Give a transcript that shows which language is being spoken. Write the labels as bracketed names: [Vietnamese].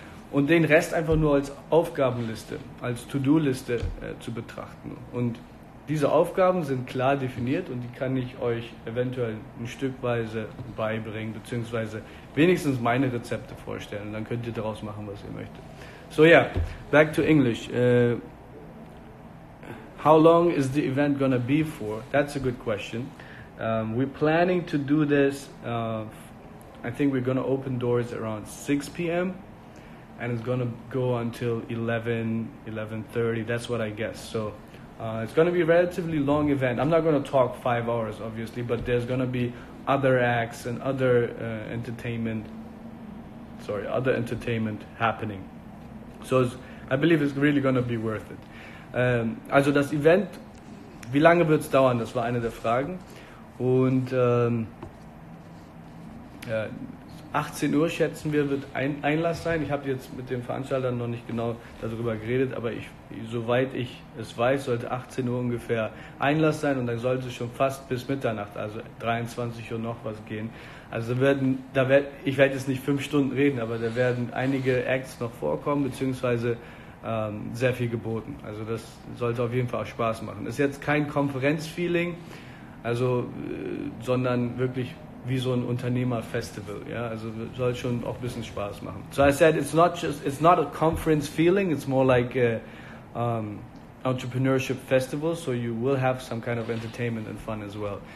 [German] Und den Rest einfach nur als Aufgabenliste, als To-Do-Liste zu betrachten. Und diese Aufgaben sind klar definiert und die kann ich euch eventuell ein Stückweise beibringen, beziehungsweise wenigstens meine Rezepte vorstellen. Dann könnt ihr daraus machen, was ihr möchtet. [English] So yeah, back to English. How long is the event gonna be for? That's a good question. We're planning to do this. I think we're gonna open doors around 6 p.m. and it's gonna go until 11:30. That's what I guess. So it's gonna be a relatively long event. I'm not gonna talk 5 hours, obviously, but there's gonna be other acts and other entertainment. Sorry, other entertainment happening. So I believe it's really gonna be worth it. [German] Also das Event, wie lange wird es dauern? Das war eine der Fragen. Und 18 Uhr, schätzen wir, wird Einlass sein. Ich habe jetzt mit den Veranstaltern noch nicht genau darüber geredet, aber soweit ich es weiß, sollte 18 Uhr ungefähr Einlass sein und dann sollte es schon fast bis Mitternacht, also 23 Uhr noch was gehen. Also ich werde jetzt nicht 5 Stunden reden, aber da werden einige Acts noch vorkommen, beziehungsweise sehr viel geboten. Also das sollte auf jeden Fall auch Spaß machen. Ist jetzt kein Konferenzfeeling, also sondern wirklich wie so ein Unternehmerfestival. Ja? Also soll schon auch ein bisschen Spaß machen. [English] So I said, it's not a conference feeling, it's more like a entrepreneurship festival, so you will have some kind of entertainment and fun as well.